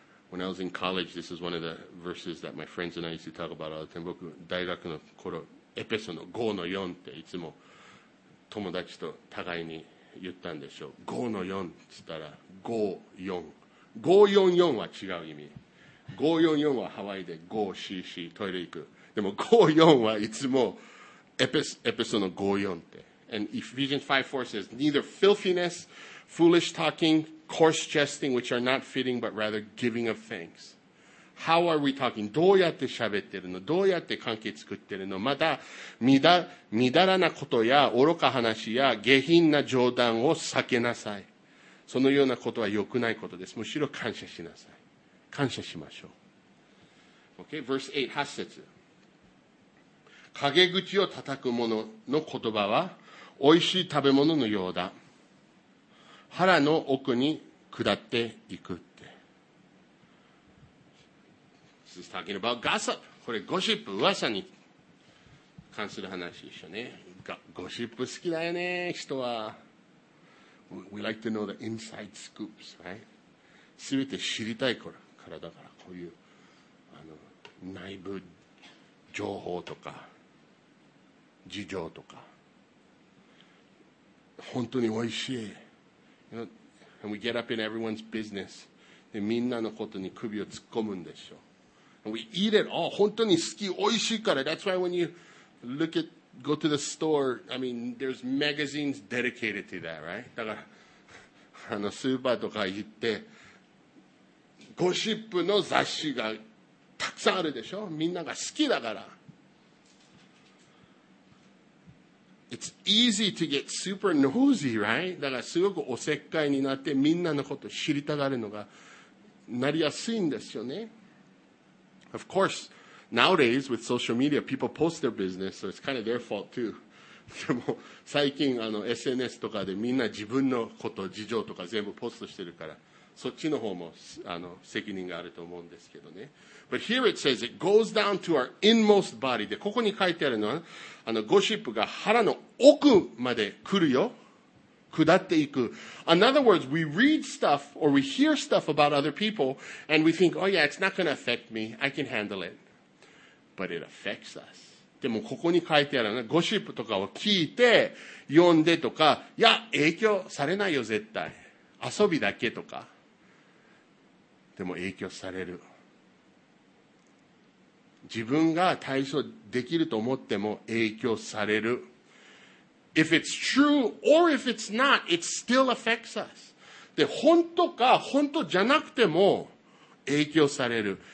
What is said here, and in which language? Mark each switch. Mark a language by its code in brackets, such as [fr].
[en] When I was in college, this is one of the verses that my friends and I used to talk about all the time. [ja] 僕、大学の頃、エペソの5の4っていつも友達と互いに言ったんでしょう。5の4って言ったら、5-4。5-4-4は違う意味。 5-4-4はハワイで、5-4-4、トイレ行く。でも5-4はいつもエペソの5-4って。 [en] And Ephesians 5:4 says, neither filthiness, foolish talking,coarse jesting, which are not fitting, but rather giving of thanks. How are we talking? [ja] どうやって喋ってるの？どうやって関係作ってるの？また、みだらなことや愚か話や下品な冗談を避けなさい。そのようなことは良くないことです。むしろ感謝しなさい。感謝しましょう。 [en] Okay, verse 8, 8節。 [ja] 陰口を叩く者の言葉は美味しい食べ物のようだ。腹の奥に下っていくって。 [en] This is talking about gossip. [ja] これゴシップ、噂に関する話でしょうね。ゴシップ好きだよね、人は。 [en] We like to know the inside scoops, right? [ja] 全て知りたいからだから、こういうあの内部情報とか事情とか本当においしい。 [en] You know, and we get up in everyone's business. [ja] でみんなのことに首を突っ込むんでしょう。 [en] And we eat it all. [ja] 本当に好き、おいしいから。 [en] That's why when you look at, go to the store, I mean, there's magazines dedicated to that, right? [ja] だから、あのスーパーとか行って、ゴシップの雑誌がたくさんあるでしょ？みんなが好きだから。 [en] It's easy to get super nosy, right? [ja] だからすごくおせっかいになってみんなのこと知りたがるのがなりやすいんですよね。 [en] Of course, nowadays with social media, people post their business, so it's kind of their fault too. [ja] でも最近あの SNS とかでみんな自分のこと、事情とか全部ポストしてるから、そっちの方もあの責任があると思うんですけどね。 [en] But here it says it goes down to our inmost body. [ja] で、ここに書いてあるのは、あのゴシップが腹の奥まで来るよ。下っていく。 [en] In other words, we read stuff or we hear stuff about other people and we think, oh yeah, it's not going to affect me. I can handle it. But it affects us. [ja] でもここに書いてあるね。ゴシップとかを聞いて、読んでとか、いや、影響されないよ、絶対。遊びだけとか。でも影響される。自分が対処できると思っても影響される。 [en] If it's true or if it's not, it still affects us. [ja] で、本当か本当じゃなくても影響される。